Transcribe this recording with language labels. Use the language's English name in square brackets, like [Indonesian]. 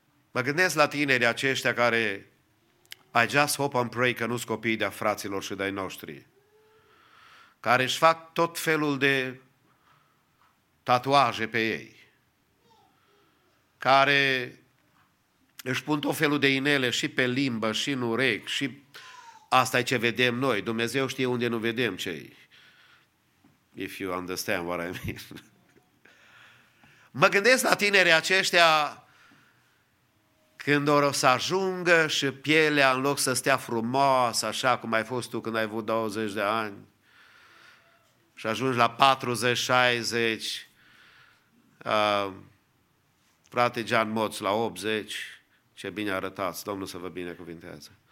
[Romanian] Mă gândesc la tinerii aceștia care [English] I just hope and pray [Romanian] că nu-s copiii de-a fraților și de-ai noștri, care își fac tot felul de tatuaje pe ei, care își pun tot felul de inele și pe limbă, și în urechi, și asta e ce vedem noi. Dumnezeu știe unde nu vedem ce-i. [English] If you understand what I mean. [Romanian] Mă gândesc la tinerii aceștia când o să ajungă și pielea, în loc să stea frumoasă, așa cum ai fost tu când ai avut 20 de ani, și ajungi la 40-60, frate Jean Moț la 80, ce bine arătați, Domnul să vă binecuvinteze.